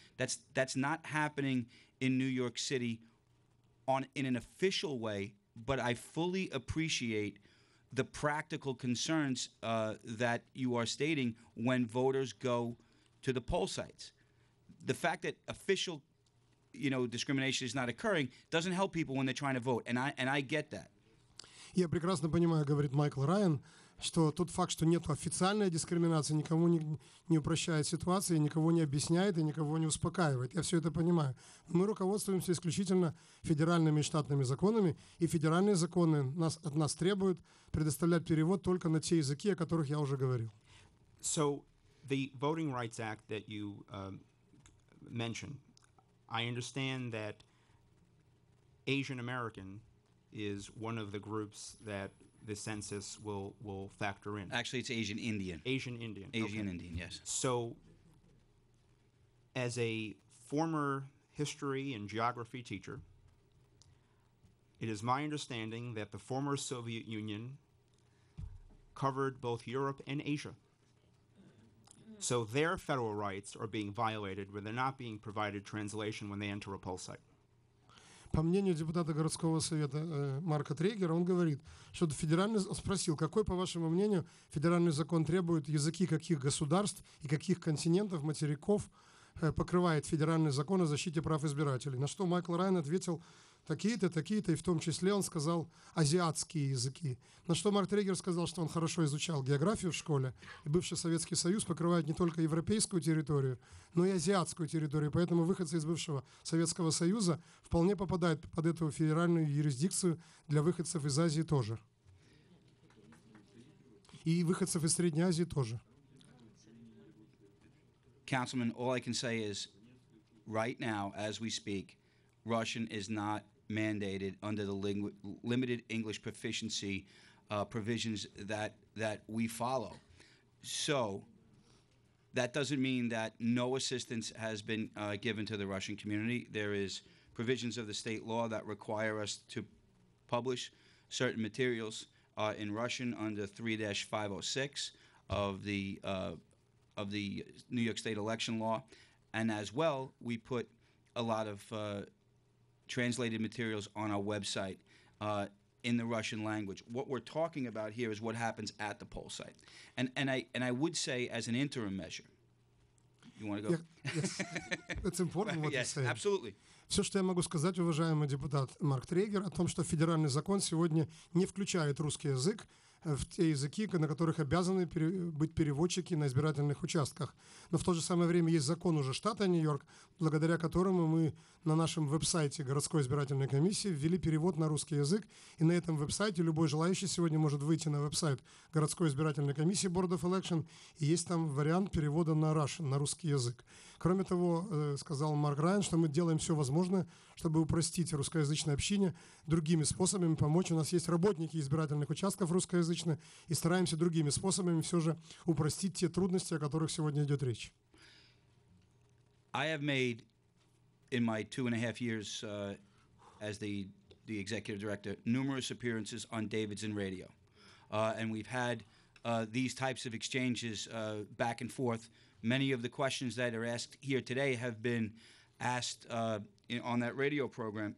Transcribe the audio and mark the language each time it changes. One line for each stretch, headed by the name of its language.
English: That's not happening in New York City in an official way, but I fully appreciate the practical concerns that you are stating when voters go to the poll sites. The fact that official, you know, discrimination is not occurring doesn't help people when they're trying to vote, and I get that.
Russian: Я прекрасно понимаю, говорит Майкл Райан, что тот факт, что нет официальной дискриминации, никому не упрощает ситуацию, никого не объясняет и никого не успокаивает. Я все это понимаю. Мы руководствуемся исключительно федеральными и штатными законами, и федеральные законы от нас требуют предоставлять перевод только на те языки, о которых я уже говорил.
English: So, the Voting Rights Act that you mentioned, I understand that Asian American is one of the groups that the census will factor in. Actually, it's Asian Indian. Asian Indian. Asian okay. Indian, yes. So, as a former history and geography teacher, it is my understanding that the former Soviet Union covered both Europe and Asia. So their federal rights are being violated when they're not being provided translation when they enter a poll site.
Russian: По мнению депутата городского совета Марка Триггера, он говорит, что спросил, какой, по вашему мнению, федеральный закон требует языки каких государств и каких континентов, материков покрывает федеральный закон о защите прав избирателей. На что Майкл Райан ответил, такие-то, такие-то, и в том числе он сказал азиатские языки. На что Марк Триггер сказал, что он хорошо изучал географию в школе, и бывший Советский Союз покрывает не только европейскую территорию, но и азиатскую территорию, поэтому выходцы из бывшего Советского Союза вполне попадают под эту федеральную юрисдикцию для выходцев из Азии тоже. И выходцев из Средней Азии тоже.
English: Councilman, all I can say is, right now, as we speak, Russian is not mandated under the limited English proficiency provisions that we follow. So that doesn't mean that no assistance has been given to the Russian community. There is provisions of the state law that require us to publish certain materials in Russian under 3-506 of the New York State election law. And as well, we put a lot of translated materials on our website in the Russian language. What we're talking about here is what happens at the poll site. And I would say as an interim measure, you want to go? Yeah, yes, it's important what yes, you say. Yes, absolutely.
Russian: Все, что я могу сказать, уважаемый депутат Марк Триггер, о том, что федеральный закон сегодня не включает русский язык в те языки, на которых обязаны быть переводчики на избирательных участках. Но в то же самое время есть закон уже штата Нью-Йорк, благодаря которому мы на нашем веб-сайте городской избирательной комиссии ввели перевод на русский язык, и на этом веб-сайте любой желающий сегодня может выйти на веб-сайт городской избирательной комиссии Board of Election, и есть там вариант перевода на Russian, на русский язык. Кроме того, сказал Марк Райан, что мы делаем все возможное, чтобы упростить русскоязычное общение другими способами, помочь. У нас есть работники избирательных участков русскоязычных, и стараемся другими способами все же упростить те трудности, о которых сегодня идет речь.
English: I have made in my 2.5 years as the executive director numerous appearances on David's and radio. And we've had these types of exchanges back and forth. Many of the questions that are asked here today have been asked on that radio program.